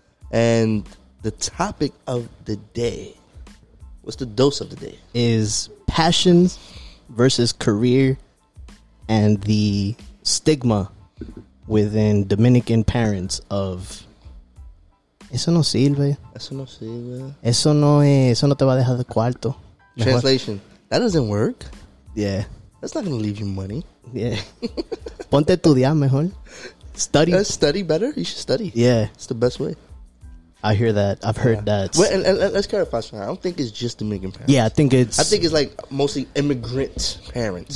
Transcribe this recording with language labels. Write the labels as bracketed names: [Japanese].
[English] And the topic of the day. What's the dose of the day? Is passion versus career and the stigma within Dominican parents of [Spanish] eso no sirve. Eso no sirve. Eso no es, eso no te va a dejar de cuarto. [English] Translation. That doesn't work. Yeah. That's not going to leave you money. [Spanish] Yeah. Ponte estudiar mejor. Study. [English] Study better? You should study. Yeah. It's the best way. I hear that. I've heard that. Well, and let's clarify something. I don't think it's just Dominican parents. Yeah, I think it's like mostly immigrant parents.